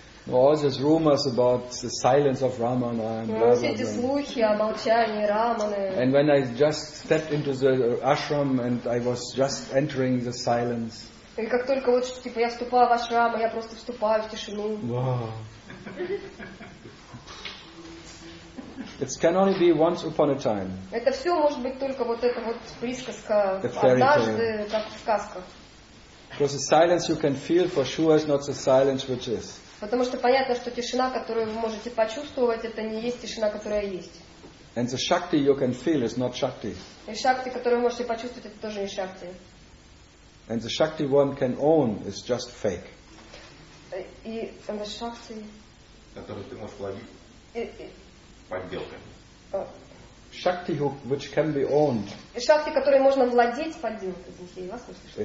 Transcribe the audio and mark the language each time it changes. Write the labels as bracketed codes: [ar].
[en] All these rumors about the silence of Ramana and blah, blah, blah. And when I just stepped into the ashram and I was just entering the silence. [ru] И как только вот типа я вступаю в ашрам, я просто вступаю в тишину. [en] Wow. It can only be once upon a time. [ru] Это все может быть только вот эта вот присказка однажды, как в сказках. [en] Because the silence you can feel for sure is not the silence which is. [ru] Потому что понятно, что тишина, которую вы можете почувствовать, это не есть тишина, которая есть. [en] And the shakti you can feel is not shakti. [ru] И шакти, которую вы можете почувствовать, это тоже не шакти. [en] And the shakti one can own is just fake. И the shakti, [ru] которую ты можешь владеть, подделка. [en] Shakti which can be owned. [ru] И шакти, которой можно владеть, подделка. Извините, я вас услышала.